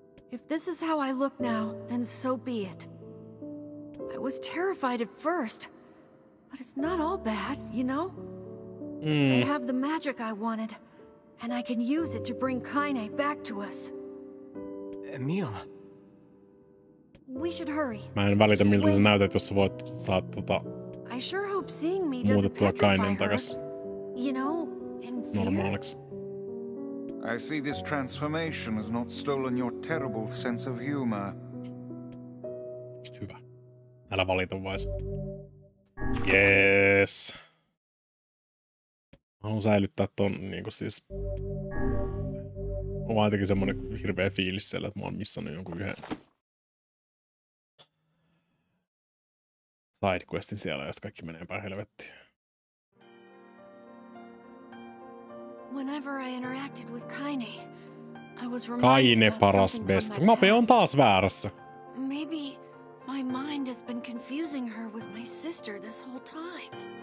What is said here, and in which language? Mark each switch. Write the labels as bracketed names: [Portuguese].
[English] If this is how I look now, then so be it. I was terrified at first, but it's not all bad, you know? I have the magic I wanted, and I can use it to bring Kaine back to us. Emil. We should hurry. [Finnish] Mä en välitä, miltä sä näytät, jos sä voit saat tota... [English] I sure hope seeing me doesn't petrify her. You know, in fear? [Finnish] Normaaliks. [English] I see this transformation has not stolen your terrible sense of humor. [Finnish] Hyvä. Älä valita vaan. Yes. Mä haluan säilyttää ton niinku siis... Mä oon jotenkin semmonen hirveä fiilis siellä, että mä oon missannut jonkun yhden... sidequestin siellä, josta kaikki menee päin helvettiin. [English] Whenever I interacted with Kaine, I was [Finnish] Kaine paras best. Mape on taas väärässä. [English] Maybe my mind has been confusing her with my sister this whole time.